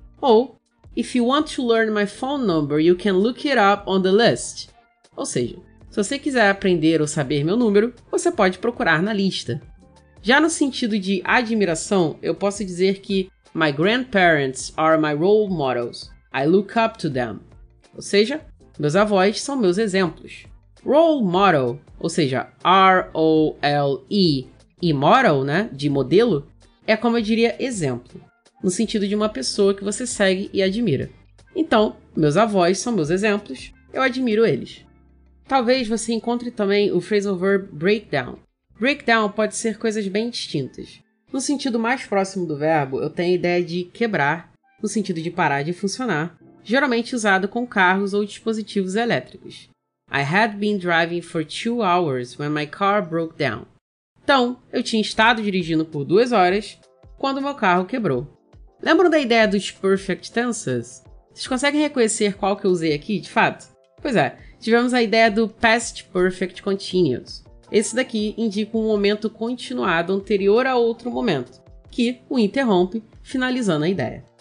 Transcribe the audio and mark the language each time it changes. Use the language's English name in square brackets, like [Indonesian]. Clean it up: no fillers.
[English] Ou, if you want to learn my phone number, you can look it up on the list. [Portuguese] Ou seja, se você quiser aprender ou saber meu número, você pode procurar na lista. Já no sentido de admiração, eu posso dizer que [English] my grandparents are my role models. I look up to them. [Portuguese] Ou seja, meus avós são meus exemplos. Role model, ou seja, R-O-L-E, e model, né, de modelo, é como eu diria exemplo, no sentido de uma pessoa que você segue e admira. Então, meus avós são meus exemplos, eu admiro eles. Talvez você encontre também o phrasal verb breakdown. Breakdown pode ser coisas bem distintas. No sentido mais próximo do verbo, eu tenho a ideia de quebrar, no sentido de parar de funcionar, geralmente usado com carros ou dispositivos elétricos. [English] I had been driving for 2 hours when my car broke down. [Portuguese] Então, eu tinha estado dirigindo por 2 horas quando meu carro quebrou. Lembram da ideia dos perfect tenses? Vocês conseguem reconhecer qual que eu usei aqui, de fato? Pois é, tivemos a ideia do past perfect continuous. Esse daqui indica um momento continuado anterior a outro momento, que o interrompe, finalizando a ideia.